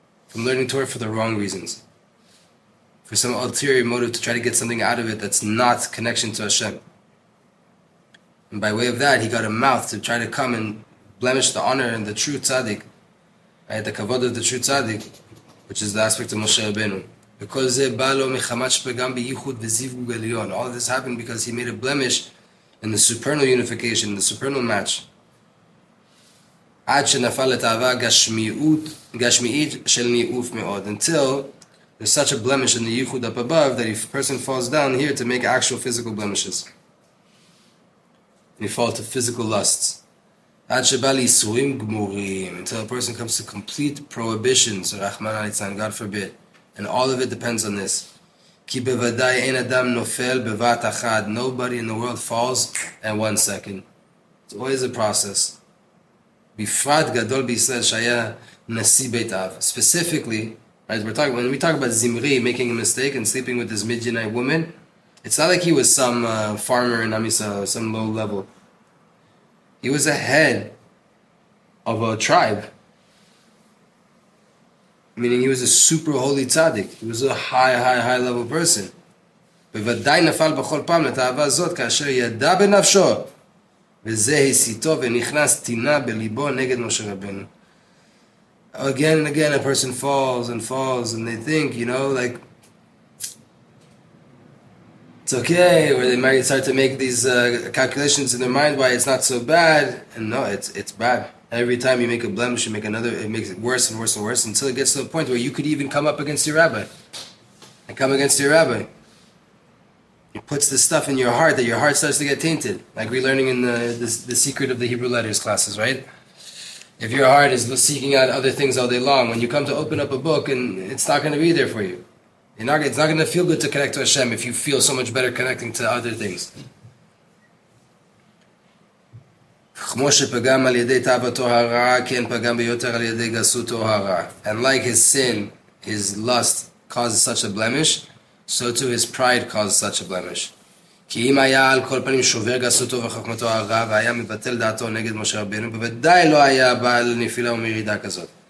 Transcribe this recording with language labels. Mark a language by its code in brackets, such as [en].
[en] From learning Torah for the wrong reasons. For some ulterior motive to try to get something out of it that's not connection to Hashem. And by way of that, he got a mouth to try to come and blemish the honor and the true tzaddik. Right? The kavod of the true tzaddik, which is the aspect of Moshe Rabbeinu. [he] וכל זה בא לו מחמת שפגם בייחוד וזיווג עליון. [en] All of this happened because he made a blemish in the supernal unification, the supernal match. [he] עד שנפל לתאווה גשמיית של ניאוף מאוד. [en] Until there's such a blemish in the ייחוד up above that if a person falls down here to make actual physical blemishes, you fall to physical lusts. [he] עד שבא לייסורים גמורים. [en] Until a person comes to complete prohibitions, [he] רחמנא ליצלן, [en] God forbid. And all of it depends on this. [he] כי בוודאי אין אדם נופל בבת אחת. [en] Nobody in the world falls in one second. It's always a process. [he] בפרט גדול בישראל שהיה נשיא בית אב. [en] Specifically, right, when we talk about Zimri making a mistake and sleeping with this Midianite woman, it's not like he was some farmer in Amisal or some low level. He was a head of a tribe. Meaning he was a super holy tzaddik. He was a high, high, high level person. [he] בוודאי נפל בכל פעם לתאווה הזאת כאשר ידע בנפשו. וזה הסיתו ונכנס תינה בליבו נגד משה רבנו. [en] Again and again a person falls and falls and they think, you know, like, it's okay. Or they might start to make these calculations in their mind why it's not so bad. And no, it's bad. Every time you make a blemish, you make another, it makes it worse and worse and worse until it gets to the point where you could even come up against your rabbi. And come against your rabbi. It puts the stuff in your heart that your heart starts to get tainted. Like we're learning in the secret of the Hebrew letters classes, right? If your heart is seeking out other things all day long, when you come to open up a book, and it's not going to be there for you. It's not going to feel good to connect to Hashem if you feel so much better connecting to other things. [he] כמו שפגם על ידי תאוותו הרע, כן פגם ביותר על ידי גסותו הרע. [en] And like his sin, his lust causes such a blemish, so too his pride causes such a blemish. [he] כי אם היה על כל פנים שובר גסותו וחכמתו הרע, והיה מבטל דעתו נגד משה רבינו, בוודאי לא היה בעל נפילה ומרידה כזאת.